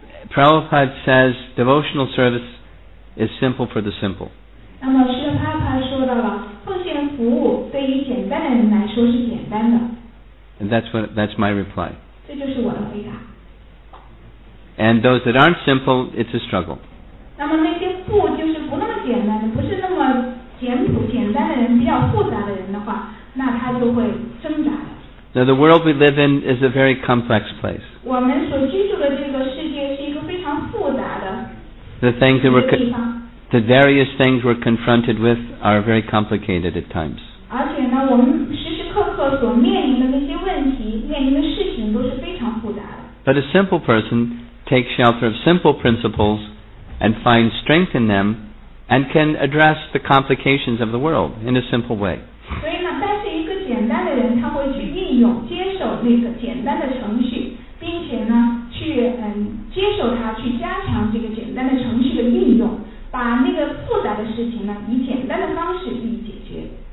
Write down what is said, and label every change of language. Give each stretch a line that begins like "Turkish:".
English: Prabhupada says devotional service is simple for the simple.
Chinese: 那么师父他说到了奉献服务对于简单的人来说是简单的。
English: And that's my reply.
Chinese: 这就是我的回答。
English: And those that aren't simple, it's a struggle.
Chinese: 那么那些不就是不那么简单的，不是那么简单的人，比较复杂的人的话，那他就会挣扎。
English: Now the world we live in is a very complex place.
Chinese: 我们所居住的这个世界是一个非常复杂的。
English: The various things we're confronted with are very complicated at times.
Chinese: 而且呢，我们时时刻刻所面临的那些问题，面临的事情都是非常复杂的。
English: But a simple person takes shelter of simple principles and finds strength in them and can address the complications of the world in a simple way.
Chinese: 所以呢，但是一个简单的人，他会去运用、接受那个简单的程序，并且呢，去接受它，去加强这个简单的程序的运用，把那个复杂的事情呢，以简单的方式予以解决。